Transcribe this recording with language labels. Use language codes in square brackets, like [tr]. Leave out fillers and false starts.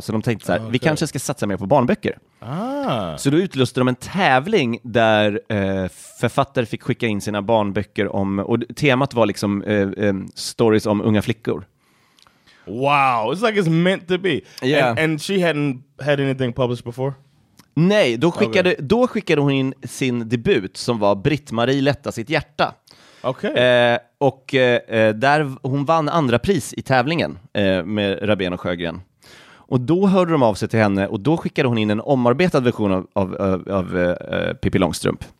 [sv] Så de tänkte så här, vi kanske ska satsa mer på barnböcker. Ah. Så då utlöste de en tävling där författare fick skicka in sina barnböcker om, och temat var liksom stories om unga flickor. [en] Wow, it's like it's meant to be. Yeah. And she hadn't had anything published before? [sv] Nej, då skickade hon in sin debut som var Britt-Marie Lätta sitt hjärta. [en] Okay. [sv] Och där hon vann andra pris i tävlingen med Rabén och Sjögren. Och då hörde de av sig till henne och då skickade hon in en omarbetad version av Pippi Långstrump.